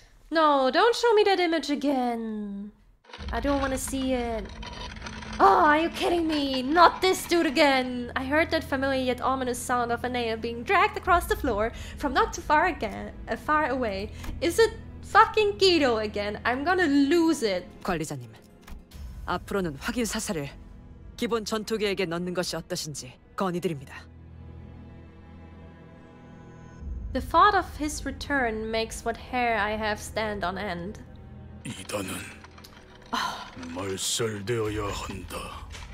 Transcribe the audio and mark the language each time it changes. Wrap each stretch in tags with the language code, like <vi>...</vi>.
<en>No, don't show me that image again. I don't want to see it. Oh, are you kidding me? Not this dude again. I heard that familiar yet ominous sound of a nail being dragged across the floor from not too far again, far away. Is it fucking Guido again? I'm gonna lose it.</en> <ko>관리자님, 앞으로는 확인 사살을 기본 전투 계획에 넣는 것이 어떠신지 건의드립니다.</ko> <en>The thought of his return makes what hair I have stand on end.</en> <ko>이단은 말살되어야 한다.</ko>